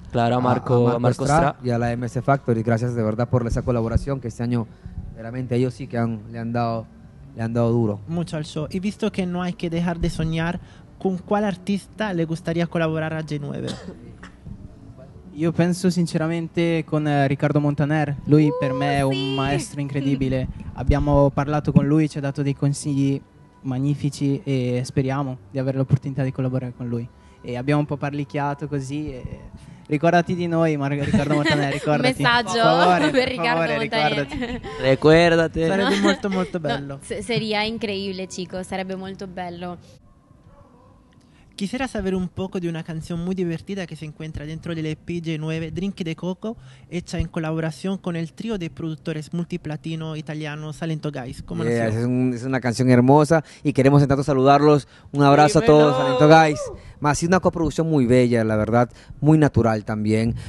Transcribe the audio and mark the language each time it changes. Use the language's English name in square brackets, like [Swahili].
[Spanish] claro, a Marco Stra y a la MS Factory. Gracias de verdad por esa colaboración, que este año realmente ellos sí que le han dado duro mucho al show. Y visto que no hay que dejar de soñar, ¿con cuál artista le gustaría colaborar a G9? [Italian] Yo penso sinceramente con Riccardo Montaner. Lui per me è un maestro incredibile. Abbiamo parlato con lui, ci ha dato dei consigli magnifici e speriamo di avere l'opportunità di collaborare con lui. E abbiamo un po' parlicchiato così. E ricordati di noi, Riccardo Montaner, ricordati. Messaggio per Riccardo Montaner. Ricordati. Sarebbe molto molto bello. No, seria incredibile, chico, sarebbe molto bello. [Spanish] Quisiera saber un poco de una canción muy divertida que se encuentra dentro del EP G9, Drink de Coco, hecha en colaboración con el trío de productores multiplatino italiano Salento Guys. Es una canción hermosa y queremos entrar a saludarlos. Un abrazo a todos, Salento Guys. Más, es una coproducción muy bella, la verdad, muy natural también.